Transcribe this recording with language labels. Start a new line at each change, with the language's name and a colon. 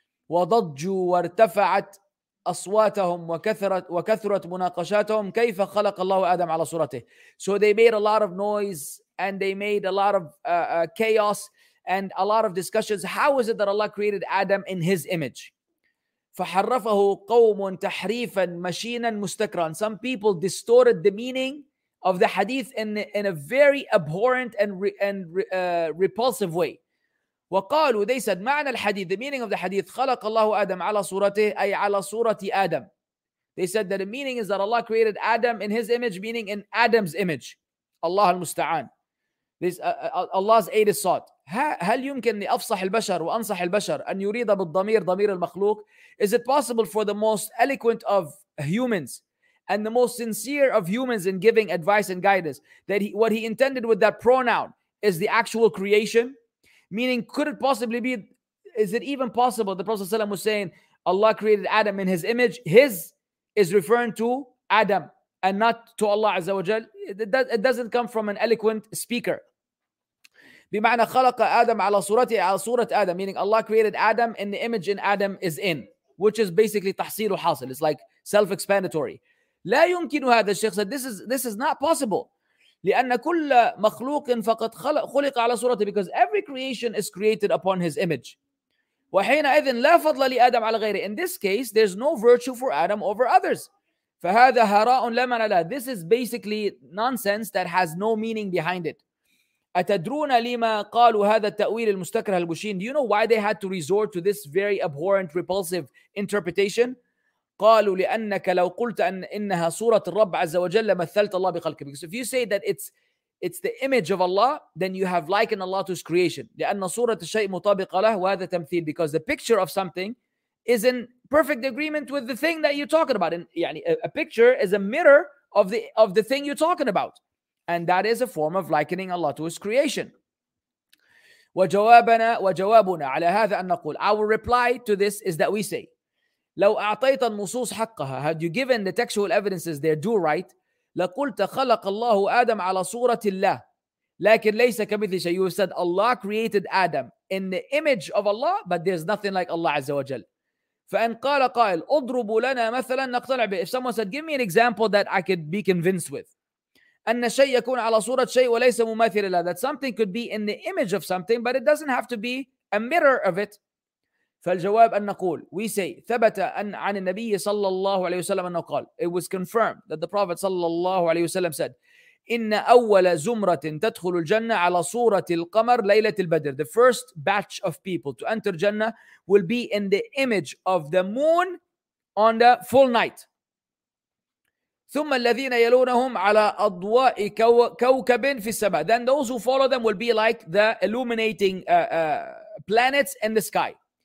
Arabic: وضجوا وارتفعت أصواتهم وكثرت مناقشاتهم كيف خلق الله آدم على صورته.
English: So they made a lot of noise and they made a lot of chaos and a lot of discussions. How is it that Allah created Adam in his image?
Arabic: فحرفه قوم تحريفا مشينا مستكرا.
English: Some people distorted the meaning of the hadith in a very abhorrent and repulsive way.
Arabic: وقالوا,
English: they said,
Arabic: معنى الحديث,
English: the meaning of the hadith,
Arabic: خلق الله آدم على صورته, أي على صورة آدم.
English: They said that the meaning is that Allah created Adam in his image, meaning in Adam's image. Allah المستعان. Allah's aid is sought.
Arabic: هل يمكن لأفصح البشر وأنصح البشر أن يريد بالضمير, ضمير المخلوق?
English: Is it possible for the most eloquent of humans and the most sincere of humans in giving advice and guidance that what he intended with that pronoun is the actual creation? Meaning, could it possibly be, is it even possible, the Prophet ﷺ was saying, Allah created Adam in his image, his is referring to Adam and not to Allah Azza wa Jal. It doesn't come from an eloquent speaker.
Arabic: بمعنى خلق آدم على صورته على صورة آدم,
English: meaning Allah created Adam and the image in Adam is in, which is basically
Arabic: تحصيل وحاصل.
English: It's like self-explanatory.
Arabic: لا يمكن هذا الشخص.
English: This is not possible.
Arabic: لأن كل مخلوق فقد خلق على صورته,
English: because every creation is created upon his image.
Arabic: وحينئذ لا فضل لآدم على غيره.
English: In this case, there's no virtue for Adam over others.
Arabic: فهذا هراء لا معنى له.
English: This is basically nonsense that has no meaning behind it.
Arabic: أتدرون لما قالوا هذا التأويل المستكره البوشين؟
English: Do you know why they had to resort to this very abhorrent, repulsive interpretation?
Arabic: قالوا لأنك لو قلت أن إنها صورة الرب عز وجل مثلت الله بخلقه.
English: Because if you say that it's the image of Allah, then you have likened Allah to his creation.
Arabic: لأن صورة الشيء مطابقة له وهذا تمثيل.
English: Because the picture of something is in perfect agreement with the thing that you're talking about. And يعني a picture is a mirror of the thing you're talking about. And that is a form of likening Allah to his creation.
Arabic: وجوابنا على هذا أن نقول.
English: Our reply to this is that we say,
Arabic: لو أعطيت النصوص حقها,
English: had you given the textual evidences their due right,
Arabic: لقلت خلق الله آدم على صورة الله لكن ليس كمثل شيء.
English: You said Allah created Adam in the image of Allah, but there's nothing like Allah عز وجل.
Arabic: فإن قال قائل اضربوا لنا مثلا نقتنع به.
English: If someone said give me an example that I could be convinced with,
Arabic: أن شيء يكون على صورة شيء وليس مماثل له,
English: that something could be in the image of something but it doesn't have to be a mirror of it.
Arabic: فالجواب أن نقول,
English: we say,
Arabic: ثبت أن عن النبي صلى الله عليه وسلم أنه قال,
English: it was confirmed that the Prophet
Arabic: صلى الله عليه وسلم said, إن أول زمرة تدخل الجنة على صورة القمر ليلة البدر.
English: The first batch of people to enter Jannah will be in the image of the moon on the full night.
Arabic: ثم الذين يلونهم على أضواء كوكب في السماء.
English: Then those who follow them will be like the illuminating planets in the sky.